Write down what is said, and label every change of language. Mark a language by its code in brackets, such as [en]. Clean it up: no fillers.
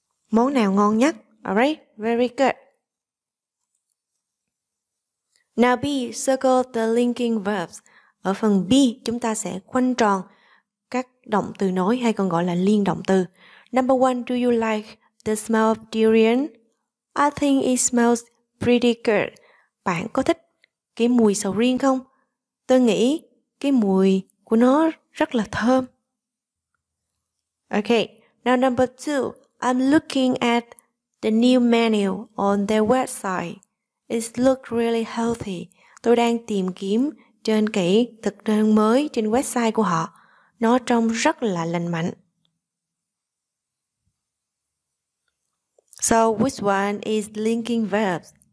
[vi] Món nào ngon nhất? [en] Alright, very good. Now B, circle the linking verbs. [vi] Ở phần B, chúng ta sẽ quanh tròn các động từ nối hay còn gọi là liên động từ. [en] Number 1, do you like the smell of durian? I think it smells pretty good. [vi] Bạn có thích cái mùi sầu riêng không? Tôi nghĩ cái mùi của nó rất là thơm. [en] Okay, now number 2. I'm looking at the new menu on their website. It looks really healthy. [vi] Tôi đang tìm kiếm trên kỹ thực đơn mới trên website của họ. Nó trông rất là lành mạnh. [en] So which one is linking verbs?